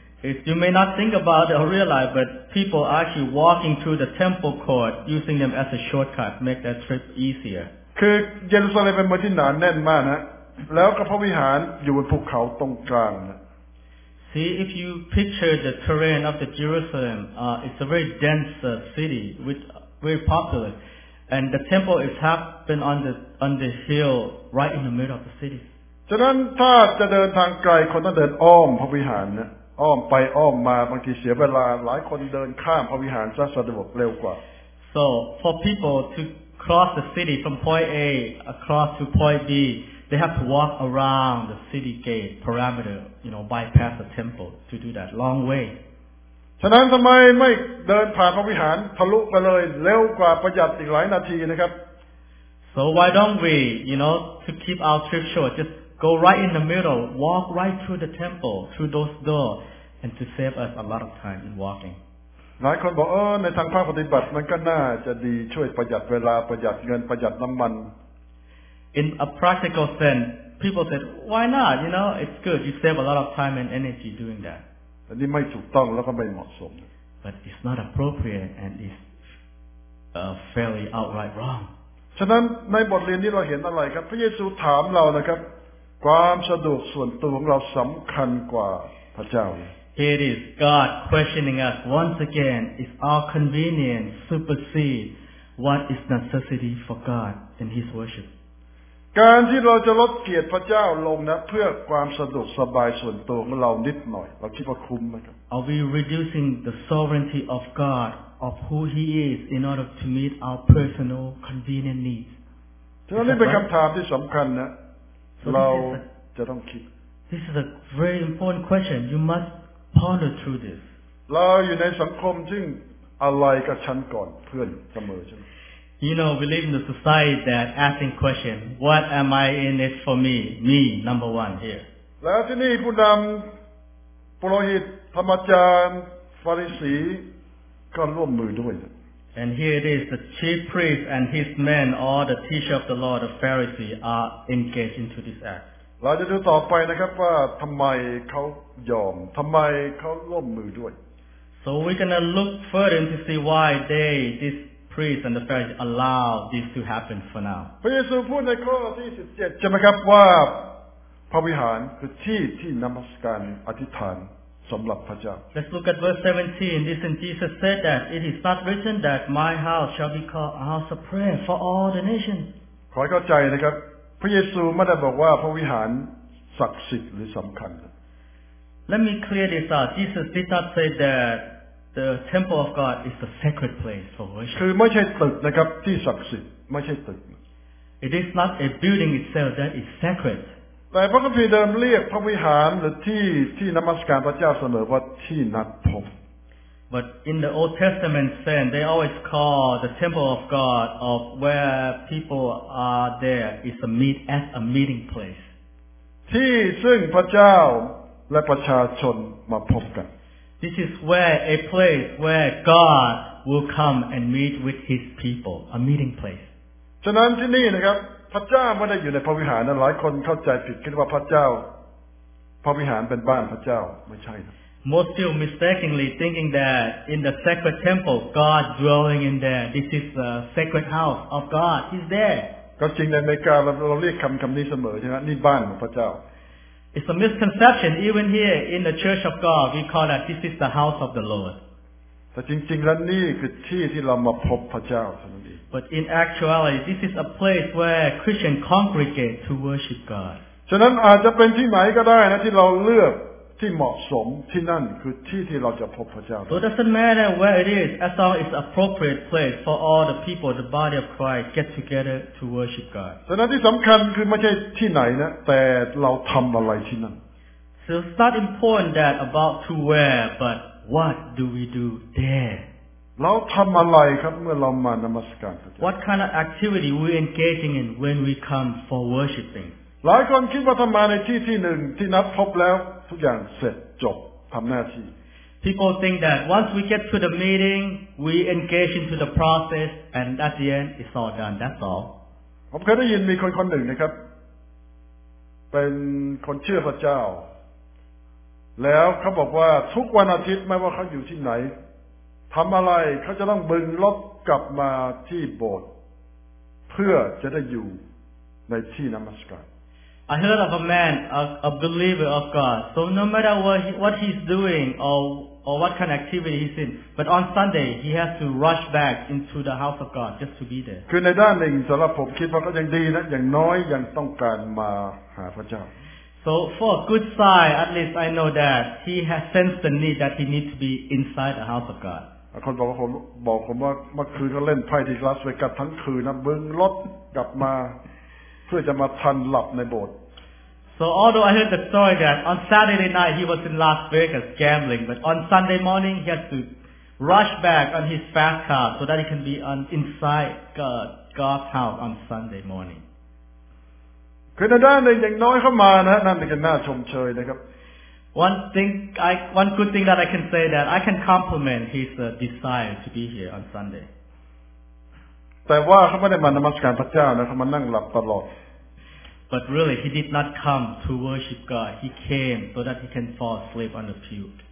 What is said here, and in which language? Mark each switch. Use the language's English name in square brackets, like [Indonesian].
[English] If you may not think about it or realize, but people are actually walking through the temple court using them as a shortcut, make that trip easier. [Thai] คือเยรูซาเล็มเป็นเมืองที่หนาแน่นมากนะแล้วก็พระวิหารอยู่บนภูเขาตรงกลางนะ [English] See, if you picture the terrain of the Jerusalem, it's a very dense city, with very popular, and the temple is happen on the hill, right in the middle of the city. [Thai] ฉะนั้นถ้าจะเดินทางไกลคนต้องเดินอ้อมพระวิหารนะอ้อมไปอ้อมมาบางทีเสียเวลาหลายคนเดินข้ามพระวิหารซะสะดวกเร็วกว่า [English] So for people to cross the city from point A across to point B, they have to walk around the city gate perimeter, you know, bypass the temple to do that long way. [Thai] ฉะนั้นทำไมไม่เดินผ่านพระวิหารทะลุไปเลยเร็วกว่าประหยัดอีกหลายนาทีนะครับ [English] So why don't we, you know, to keep our trip short, justGo right in the middle, walk right through the temple, through those doors, and to save us a lot of time in walking. [Thai] หลายคนบอกในทางภาคปฏิบัติมันก็น่าจะดีช่วยประหยัดเวลาประหยัดเงินประหยัดน้ำมัน [English] In a practical sense, people said, why not? You know, it's good. You save a lot of time and energy doing that. [Thai] แต่นี่ไม่ถูกต้องแล้วก็ไม่เหมาะสม [English] But it's not appropriate and it's fairly outright wrong. [Thai] ฉะนั้นในบทเรียนนี้เราเห็นอะไรครับพระเยซูถามเรานะครับความสะดวกส่วนตัวของเราสำคัญกว่าพระเจ้า [English] Here is God questioning us once again. Is our convenience supersede what is necessity for God in His worship? [Thai] การที่เราจะลดเกียรติพระเจ้าลงนะเพื่อความสะดวกสบายส่วนตัวของเรานิดหน่อยเราคิดว่าคุ้มไหมครับ [English] Are we reducing the sovereignty of God of who He is in order to meet our personal convenient needs? [Thai] ฉะนั้นนี่เป็นคำถามที่สำคัญนะเราจะต้องคิด [English] This is a very important question. You must ponder through this. [Thai] เราอยู่ในสังคมซึ่งอะไรกับฉันก่อนเพื่อนเสมอใช่ไหม [English] You know, we live in a society that asking question, what am I in it for me? Me, number one here. [Thai] แล้วที่นี่ผู้นำปุโรหิตธรรมจารย์ฟาริสีก็ร่วมมือด้วย [English] And here it is, the chief priest and his men, all the teachers of the law, the Pharisees, are engaged into this act. [Thai] เราจะดูต่อไปนะครับว่าทำไมเขายอมทำไมเขาร่วมมือด้วย [English] So we're gonna look further to see why they, this priest and the Pharisees, allow this to happen for now. [Thai] พระเยซูพูดในข้อที่17ใช่ไหมครับว่าพระวิหารคือที่ที่นมัสการอธิษฐานสำหรับพระเจ้า [English] Let's look at verse 17. Listen, Jesus said that it is not written that my house shall be called a house of prayer for all the nations. [Thai] ขอให้เข้าใจนะครับพระเยซูไม่ได้บอกว่าพระวิหารศักดิ์สิทธิ์หรือสำคัญ [English] Let me clear this out. Jesus did not say that the temple of God is the sacred place for worship. [Thai] คือไม่ใช่ตึกนะครับที่ศักดิ์สิทธิ์ไม่ใช่ตึก [English] It is not a building itself that is sacred. [Thai] แต่พระคัมภีร์เดิมเรียกพระวิหารหรือที่ที่นมัสการพระเจ้าเสมอว่าที่นัดพบ [English] But in the Old Testament sense they always call the temple of God of where people are there is a meet as a meeting place [Thai] ที่ซึ่งพระเจ้าและประชาชนมาพบกัน [English] This is where a place where God will come and meet with his people a meeting place [Thai] ฉะนั้นที่นี่นะครับพระเจ้าไม่ได้อยู่ในพระวิหารนะหลายคนเข้าใจผิดคิดว่าพระเจ้าพระวิหารเป็นบ้านพระเจ้าไม่ใช่นะ [English] Most still mistakenly thinking that in the sacred temple God dwelling in there this is the sacred house of God He's there [Thai] ก็จริงในอเมริกาเราเรียกคำนี้เสมอใช่ไหมนี่บ้านของพระเจ้า [English] It's a misconception even here in the church of God we call that this is the house of the Lord [Thai] แต่จริงๆแล้วนี่คือที่ที่เรามาพบพระเจ้า [English] But in actuality, this is a place where Christians congregate to worship God. [Thai] ฉะนั้นอาจจะเป็นที่ไหนก็ได้นะที่เราเลือกที่เหมาะสมที่นั่นคือที่ที่เราจะพบพระเจ้า [English] So it doesn't matter where it is, as long as it's an appropriate place for all the people, the body of Christ, get together to worship God. [Thai] ฉะนั้นที่สำคัญคือไม่ใช่ที่ไหนนะแต่เราทำอะไรที่นั่น [English] So it's not important that about to where, but what do we do there? [Thai] เราทำอะไรครับเมื่อเรามานมัสการ [English] What kind of activity we engaging in when we come for worshiping? [Thai] หลายคนคิดว่าทำมาในที่ที่หนึ่งที่นัดพบแล้วทุกอย่างเสร็จจบทำหน้าที่ [English] People think that once we get to the meeting, we engage into the process, and at the end, it's all done. That's all. [Thai] ผมเคยได้ยินมีคนหนึ่งนะครับเป็นคนเชื่อพระเจ้าแล้วเขาบอกว่าทุกวันอาทิตย์ไม่ว่าเขาอยู่ที่ไหนทำอะไรเขาจะต้องบึงรถกลับมาที่โบสถ์เพื่อจะได้อยู่ในที่นมัสการ [English] I heard of a man, a believer of God. So no matter what he's doing or what kind of activity he's in, but on Sunday he has to rush back into the house of God just to be there. [Thai] คือในด้านหนึ่งสำหรับผมคิดว่าก็ยังดีนะอย่างน้อยยังต้องการมาหาพระเจ้า [English] So for a good sign, at least I know that he has sensed the need that he needs to be inside the house of God. [Thai] คนบอกผมว่าเมื่อคืนเขาเล่นไพ่ที่ลาสเวกัสทั้งคืนนะบึงรถกลับมาเพื่อจะมาทันหลับในโบสถ์ [English] So although I heard the story that on Saturday night he was in Las Vegas gambling, but on Sunday morning he had to rush back on his fast car so that he can be on inside God's house on Sunday morning. [Thai] คือในด้านหนึ่งอย่างน้อยเข้ามานะนั่นเป็นน่าชมเชยนะครับ [English] One good thing that I can say that I can compliment his desire to be here on Sunday. [Thai] แต่ว่าเขาไม่ได้มานมัสการพระเจ้านะเขามานั่งหลับตลอด [English] But really he did not come to worship God he came so that he can fall asleep on the pew